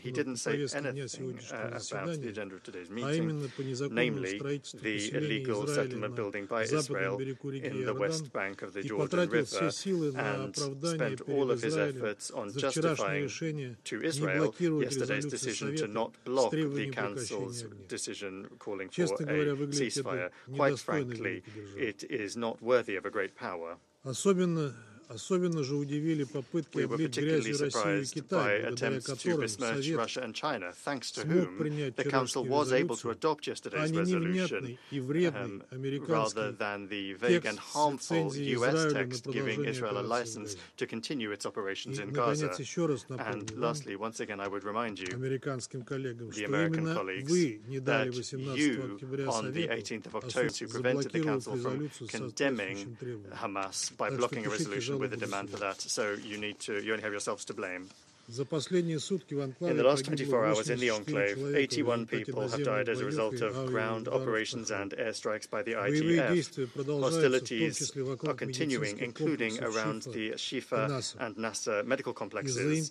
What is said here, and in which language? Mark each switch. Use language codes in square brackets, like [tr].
[en] He didn't say anything about the agenda of today's meeting, namely the illegal settlement building by Israel in the West Bank of the Jordan River, and spent all of his efforts on justifying to Israel yesterday's decision to not block the Council's decision calling for a ceasefire. Quite frankly, it is not worthy of a great power. [ru] Особенно же удивили попытки облить грязью Россию и Китай, благодаря которым Совет смог принять вчерашнюю резолюцию, а не невнятный и вредный американский текст с лицензией Израиля на продолжение операции в Газе. И, наконец, еще раз напомню вам, американским коллегам, что именно вы не дали 18 октября Совету возможности заблокировать резолюцию с соответствующим требованием. Так что пишите жалобу в Совет. [en] With a demand for that, so you only have yourselves to blame. In the last 24 hours in the enclave, 81 people have died as a result of ground operations and airstrikes by the IDF. Hostilities are continuing, including around the Shifa and Nasser medical complexes.